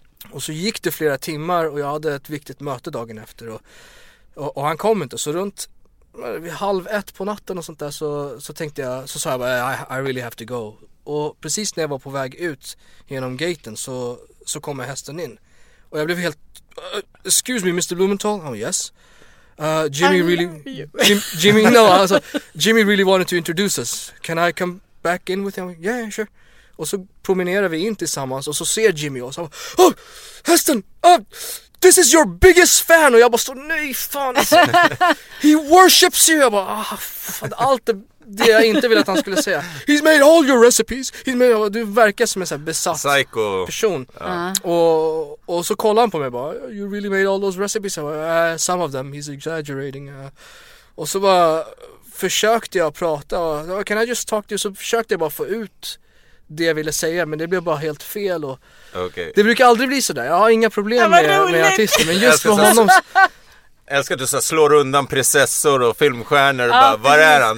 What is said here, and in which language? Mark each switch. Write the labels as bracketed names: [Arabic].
[Swedish] Och så gick det flera timmar och jag hade ett viktigt möte dagen efter. Och han kom inte, så runt... Vid halv ett på natten och sånt där så tänkte jag, så sa jag bara, [English] I really have to go. [Swedish] Och precis när jag var på väg ut genom gaten så kom hästen in. Och jag blev helt, [English] excuse me Mr. Blumenthal, oh yes. Jimmy really wanted to introduce us. Can I come back in with him? Yeah, sure. [Swedish] Och så promenerar vi in tillsammans och så ser Jimmy oss. [English] Oh, [Swedish] hästen, [English] this is your biggest fan. [Swedish] Och jag bara står, nej fan. [English] He worships you. [Swedish] Jag bara, fan, allt det jag inte ville att han skulle säga. [English] He's made all your recipes. [Swedish] Du verkar som en sån besatt [English] psycho [Swedish] person. Ja. Och så kollar han på mig bara, [English] you really made all those recipes? [Swedish] Jag bara, [English] some of them, he's exaggerating. [Swedish] Och så bara försökte jag prata. [English] Can I just talk to you? [Swedish] Så försökte jag bara få ut det jag ville säga, men det blev bara helt fel. Och [English] okay. [Swedish] Det brukar aldrig bli sådär. Jag har inga problem med artister, men just för honom... Jag älskar att du så slår undan prinsessor och filmstjärnor. Och bara, var är han?